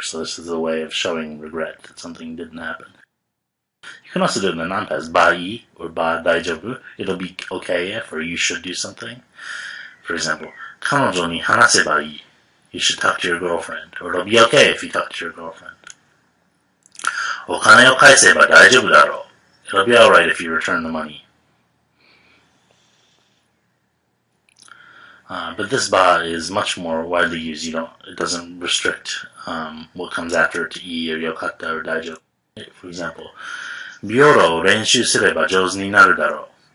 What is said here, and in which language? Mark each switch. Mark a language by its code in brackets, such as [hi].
[en] So this is a way of showing regret that something didn't happen. You can also do it in the non-past, ba-i, or ba-daijoubu. It'll be okay if, or you should do something. For example, [ja] 彼女に話せばいい. [en] You should talk to your girlfriend. Or it'll be okay if you talk to your girlfriend. [ja] お金を返せば大丈夫だろう. [en] It'll be alright if you return the money. But this ba is much more widely used. It doesn't restrict what comes after to ii or yokatta or daijo. For example, [ja] biola o renshu sureba jouzu ni naru daro.